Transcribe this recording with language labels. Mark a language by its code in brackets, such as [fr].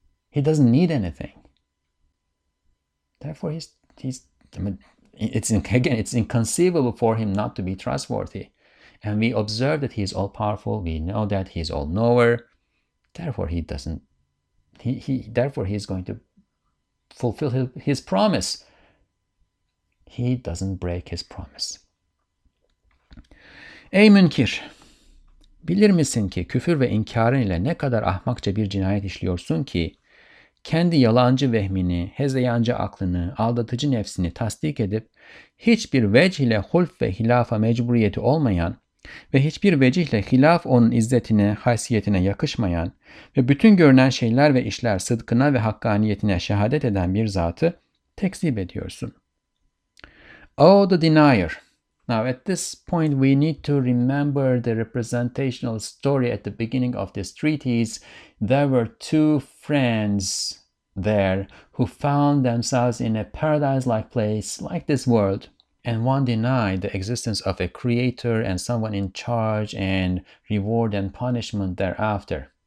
[en] He doesn't need anything. Therefore, it's inconceivable for him not to be trustworthy. And we observe that he is all-powerful. We know that he is all-knower. Therefore, he is going to fulfill his promise. He doesn't break his promise. [tr] Ey münkir! Bilir misin ki küfür ve inkârın ile ne kadar ahmakça bir cinayet işliyorsun ki kendi yalancı vehmini, hezeyancı aklını, aldatıcı nefsini tasdik edip hiçbir vecih ile hulf ve hilafa mecburiyeti olmayan ve hiçbir vecih ile hilaf onun izzetine, haysiyetine yakışmayan ve bütün görünen şeyler ve işler sıdkına ve hakkaniyetine şehadet eden bir zatı tekzip ediyorsun. [en] Oh, the denier! Now, at this point, we need to remember the representational story at the beginning of this treatise. There were two friends there who found themselves in a paradise-like place, like this world, and one denied the existence of a creator and someone in charge and reward and punishment thereafter.